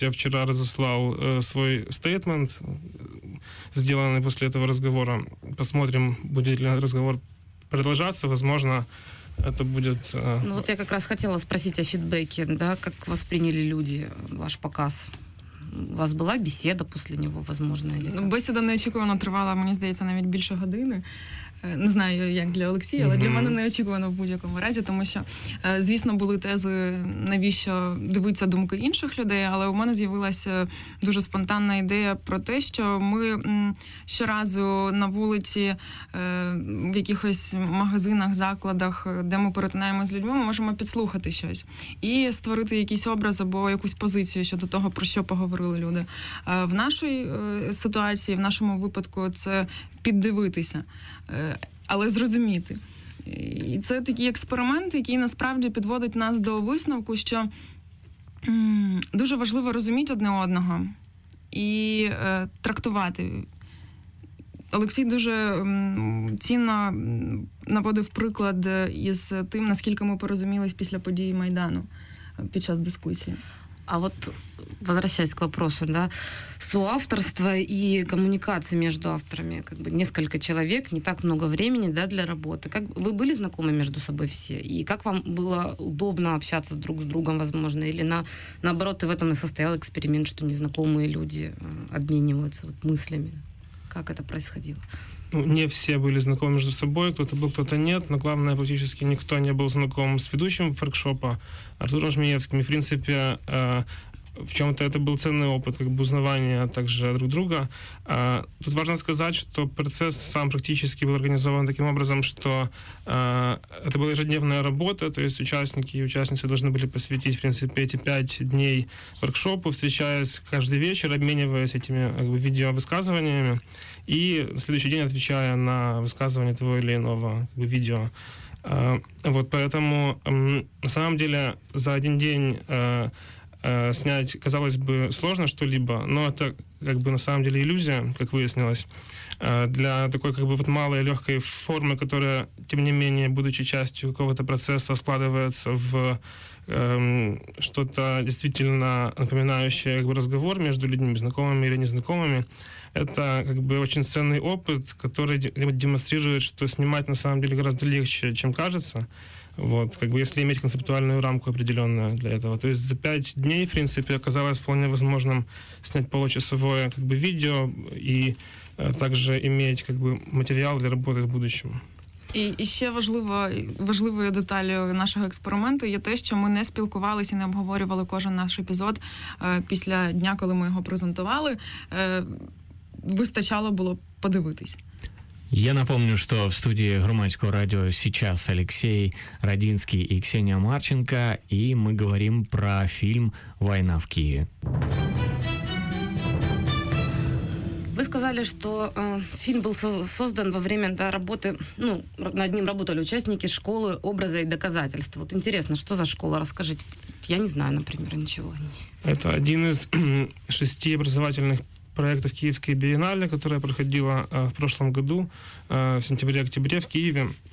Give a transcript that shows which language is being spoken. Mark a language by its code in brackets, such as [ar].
[ru] Я вчера разослал свой стейтмент, сделанный после этого разговора. Посмотрим, будет ли разговор продолжаться. Возможно, это будет... Ну вот я как раз хотела спросить о фидбэке, да, как восприняли люди ваш показ? [uk] У вас була бесіда після нього, можливо? Ну, бесіда неочікувано тривала, мені здається, навіть більше години. Не знаю, як для Олексія, але для мене неочікувано в будь-якому разі, тому що, звісно, були тези, навіщо дивитися думки інших людей, але у мене з'явилася дуже спонтанна ідея про те, що ми щоразу на вулиці, в якихось магазинах, закладах, де ми перетинаємося з людьми, ми можемо підслухати щось і створити якийсь образ або якусь позицію щодо того, про що поговорити. Говорили люди. В нашій ситуації, в нашому випадку, це піддивитися, але зрозуміти. І це такий експеримент, який насправді підводить нас до висновку, що дуже важливо розуміти одне одного і трактувати. Олексій дуже цінно наводив приклад із тим, наскільки ми порозумілись після подій Майдану під час дискусії. [ru] А вот, возвращаясь к вопросу, да, соавторство и коммуникации между авторами, как бы несколько человек, не так много времени, да, для работы. Как вы были знакомы между собой все? И как вам было удобно общаться друг с другом, возможно? Или наоборот, и в этом и состоял эксперимент, что незнакомые люди обмениваются вот мыслями? Как это происходило? Ну, не все были знакомы между собой, кто-то был, кто-то нет, но главное, практически никто не был знаком с ведущим форкшопа Артуром Жмеевским. И, в принципе, [uk] в чому-то це був цінний опит, як би узнавання також друг друга. Тут важливо сказати, що процес сам практично був організований таким образом, що це була ежедневна робота, тобто учасники і учасниці повинні були посвятити, в принципі, ці 5 днів воркшопу, зустрічаючись кожен вечір, обмінюючись цими відео-висказуваннями і на наступний день відповідає на висказування того чи іншого відео. [ru] Вот поэтому на самом деле за один день снять, казалось бы, сложно что-либо, но это как бы на самом деле иллюзия, как выяснилось, для такой как бы вот малой легкой формы, которая, тем не менее, будучи частью какого-то процесса, складывается в что-то действительно напоминающее как бы разговор между людьми, знакомыми или незнакомыми. Это как бы очень ценный опыт, который демонстрирует, что снимать на самом деле гораздо легче, чем кажется. Вот, как бы если иметь концептуальную рамку определенную для этого. То есть за 5 дней, в принципе, оказалось вполне возможным снять получасовое как бы видео и также иметь как бы материал для работы в будущем. [uk] І ще важливою деталлю нашого експерименту є те, що ми не спілкувалися і не обговорювали кожен наш епізод після дня, коли ми його презентували. Вистачало було подивитись. [ru] Я напомню, [uk] що в студії громадського радіо зараз Олексій Радінський і Ксенія Марченка, і ми говоримо про фільм «Війна в Києві». [ru] Вы сказали, что фильм был создан во время, да, работы, ну, над ним работали участники школы «Образа и доказательства». Вот интересно, что за школа? Расскажите. Я не знаю, например, ничего о ней. Это один из 6 образовательных проектов Киевской биеннале, которая проходила в прошлом году, в сентябре-октябре в Киеве.